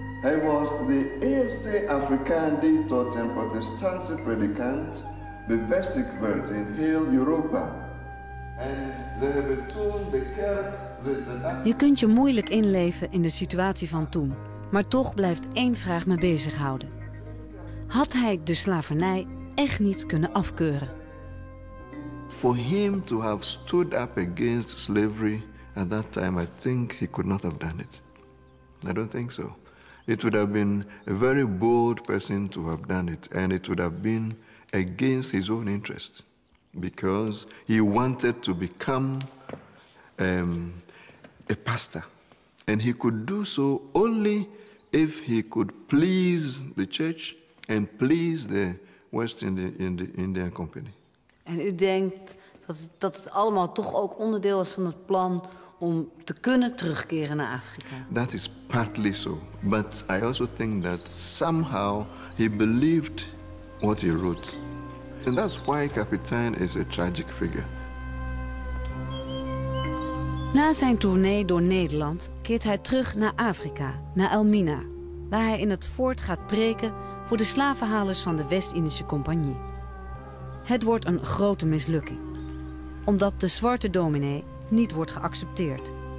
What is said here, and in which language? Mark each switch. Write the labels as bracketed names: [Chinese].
[Dutch] Hij was de eerste Afrikaan die tot een protestantse predikant bevestigd werd in heel Europa. En ze hebben toen de kerk. Je kunt je moeilijk inleven in de situatie van toen, maar toch blijft één vraag me bezighouden: had hij de slavernij echt niet kunnen afkeuren? [English] For him to have stood up against slavery at that time, I think he could not have done it. I don't think so. It would have been a very bold person to have done it, and it would have been against his own interest, because he wanted to become a pastor. And he could do so only if he could please the church and please the West Indian Company. [Dutch] En u denkt dat het allemaal toch ook onderdeel was van het plan om te kunnen terugkeren naar Afrika? [English] That is partly so. But I also think that somehow he believed what he wrote. And that's why Kapitein is a tragic figure. [Dutch] Na zijn tournee door Nederland keert hij terug naar Afrika, naar Elmina, waar hij in het fort gaat preken voor de slavenhalers van de West-Indische Compagnie. Het wordt een grote mislukking, omdat de zwarte dominee niet wordt geaccepteerd.